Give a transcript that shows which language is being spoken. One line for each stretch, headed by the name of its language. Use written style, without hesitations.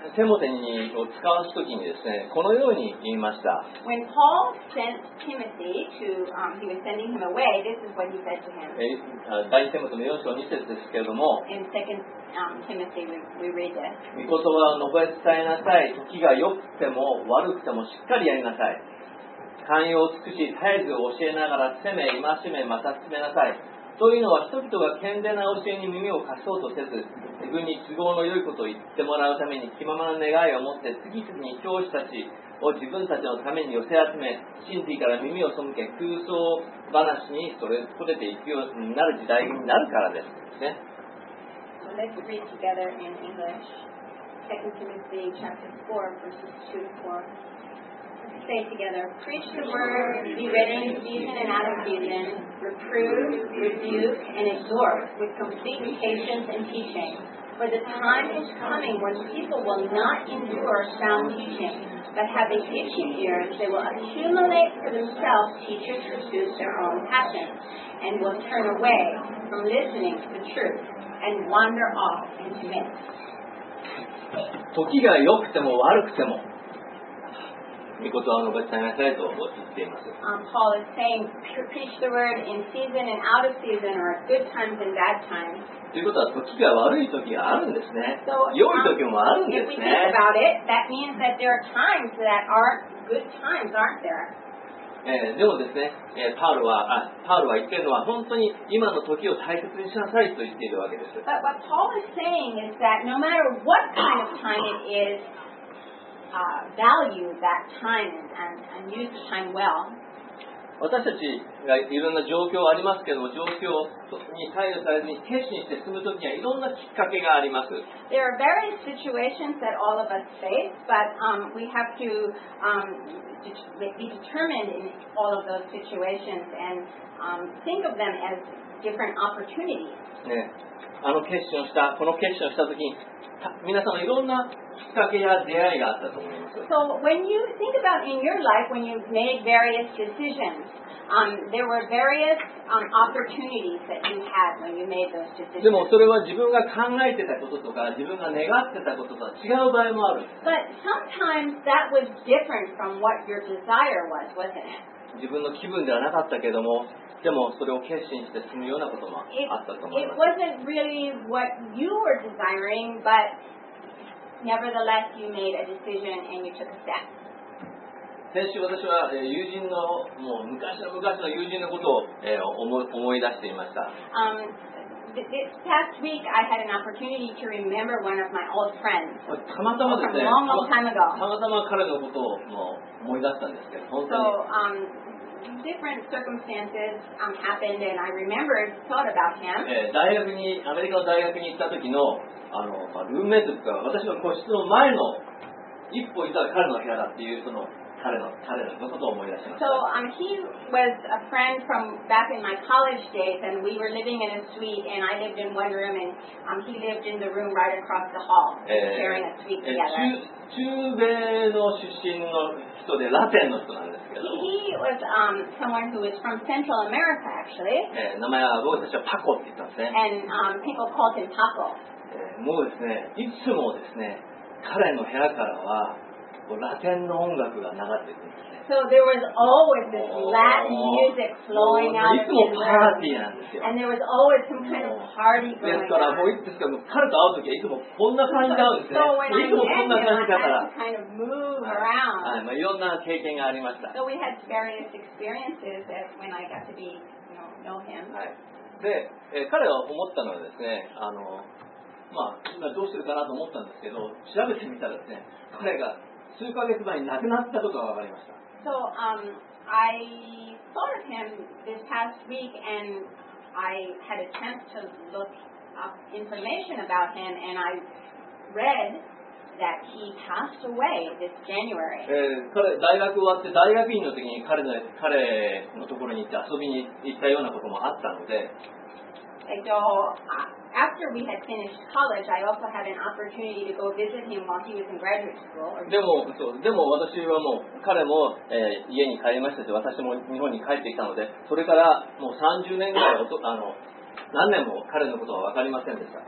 Japanese: テモテにを使わすときにですね、このように言いました。
English: When Paul sent Timothy to, he was sending him away, this is what he said to him.
Japanese: 第一テモテの4章2節ですけれども、
English: In second, Timothy, we read this.
Japanese: 御言葉を述べ伝えなさい。時が良くても悪くてもしっかりやりなさい。寛容を尽くし、絶えず教えながら、責め、戒め、また責めなさい。というのは人々が健全な教えに耳を貸そうとせず、自分に都合の良いことを言ってもらうために気ままな願いを持って次々に教師たちを自分たちのために寄せ集め、真理から耳を背け、空想話にそれぞれていくようになる時代になるからです。ね。
English: Let's read together in English. 2 Timothy chapter 4, verses 2 to 4. Say together, preach the word, be ready in season and out of season, reprove, rebuke, and exhort with complete patience and teaching. For the time is coming when people will not endure sound teaching, but having itchy ears, they will accumulate for themselves teachers who suit their own passions, and will turn away from listening to the truth and wander off into myths.
Japanese: 時が良くても悪くても御言葉を述べ伝えなさいと言っています。
English: Paul is saying, preach the word in season and out of season, or good times and bad times.
Japanese: ということは、時が悪い時があるんですね。良い時もあるんですね。
English: If we think about it, that means that there are times that are good times, aren't there?
Japanese: でもですね、パウロは言っているのは、本当に今の時を大切にしなさいと言っているわけです。
English: But what Paul is saying is that no matter what kind of time it is,value that time and use time well.
Japanese: 私たちがいろんな状況ありますけども、状況に左右されずに決心して進むときにはいろんなきっかけがあります。
English: There are various situations that all of us face, but we have to be determined in all of those situations and think of them as different opportunities.
Japanese: ね、あの決心をした、この決心をしたときに、皆さんはいろんなきっかけや出会いがあったと思います。
English: So when you think about in your life, when you've made various decisions, there were various opportunities that you had when you made those decisions.
Japanese: でもそれは自分が考えてたこととか、自分が願ってたこととは違う場合もある。
English: But sometimes that was different from what your desire was, wasn't it?
Japanese: 自分の気分ではなかったけども、でもそれを決心して進むようなこともあったと思います。
English: It wasn't really what you were desiring, but nevertheless, you made a decision and you took a step.
Japanese: 先週私は友人のもう昔の友人のことを思い出していました。
English: This past week, I had an opportunity to remember one of my old friends.
Japanese: たまたまですね。
English: From a long, long time ago.
Japanese: たまたま彼のことをもう思い出したんですけど、本当に。
English: Different circumstances happened, and I remembered thought about him.
Japanese: 大学にアメリカの大学に行った時のあの、まあ、ルームメイトとか私の個室の前の一歩行ったら彼の部屋だっていうその彼のことを思い出しました。
English: So he was a friend from back in my college days, and we were living in a suite, and I lived in one room, and he lived in the room right across the hall, sharing a suite together.
Japanese: 中米の出身の人でラテンの人なんですけど。
English: He was someone who was from Central America, actually.
Japanese: 名前は僕たちはパコって言ったんですね。
English: And people called him Paco.
Japanese: もうですね、いつもですね、彼の部屋からはラテンの音楽が流れてくるんですね。
English: So there was always this Latin music flowing out.
Japanese: いつもパーティーなんですよ。
English: And there was always some kind of party going on.
Japanese: ですから、もういつですか、もう彼と会うときはいつもこんな感じで会うんですね。いつもこんな感じだから。
English: Kind of move around.
Japanese: はい、まあ、いろんな経験がありました。
English: So we had various experiences as when I got to be, know him.
Japanese: はい。で、彼は思ったのはですね、まあ、今どうしてるかなと思ったんですけど、調べてみたらですね、彼が数ヶ月前に亡くなったことが分かりました。
English: So, I thought of him this past week and I had a chance to look up information about him and I read that he passed away this January.
Japanese: 彼、大学終わって大学院の時に彼のところに行って遊びに行ったようなこともあったので。
English: After we had finished college, I also had an opportunity to go visit him while he was in graduate school.
Japanese: でも私はもう彼も、家に帰りましたし、私も日本に帰ってきたので、それからもう30年ぐらい何年も彼のことは分かりませんでした。